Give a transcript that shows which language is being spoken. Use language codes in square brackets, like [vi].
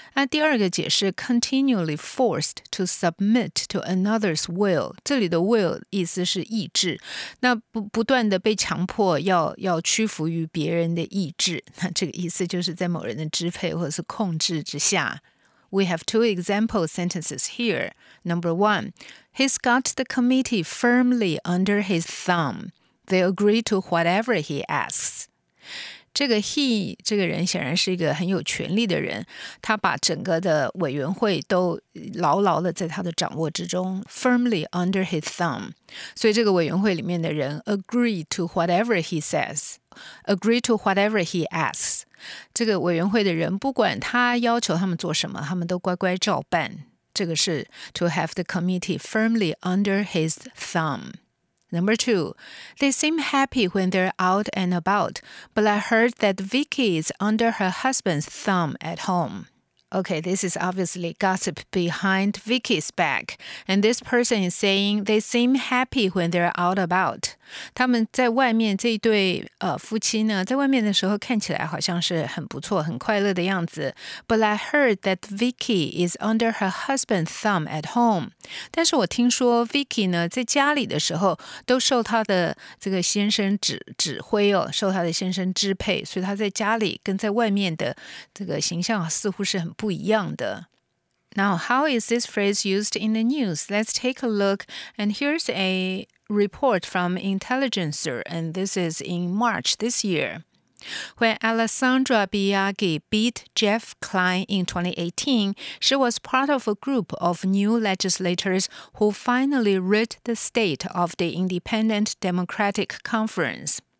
[zh] 那第二个解释 [en] continually forced to submit to another's will, [zh] 这里的 will 意思是意志，那 不断的被强迫 要屈服于别人的意志，那这个意思就是在某人的支配或者是控制之下。 [en] We have two example sentences here. Number one, he's got the committee firmly under his thumb. They agree to whatever he asks. [zh] 这个 he, 这个人显然是一个很有权力的人。他把整个的委员会都牢牢的在他的掌握之中 [en] firmly under his thumb. [zh] 所以这个委员会里面的人 [en] agree to whatever he says. Agree to whatever he asks. [zh] 这个委员会的人不管他要求他们做什么，他们都乖乖照办。这个是 [en] to have the committee firmly under his thumb. Number two, they seem happy when they're out and about, but I heard that Vicky is under her husband's thumb at home. Okay, this is obviously gossip behind Vicky's back. And this person is saying they seem happy when they're out about. [zh] 他们在外面这一对夫妻呢，在外面的时候看起来好像是很不错、很快乐的样子。 [en] But I heard that Vicky is under her husband's thumb at home. [zh] 但是我听说 Vicky 呢，在家里的时候都受他的这个先生指挥哦，受他的先生支配，所以他在家里跟在外面的这个形象似乎是很不一样的。 [en] Now, how is this phrase used in the news? Let's take a look. And here's a report from Intelligencer, and this is in March this year. When Alessandra Biaggi beat Jeff Klein in 2018, she was part of a group of new legislators who finally rid the state of the Independent Democratic Conference.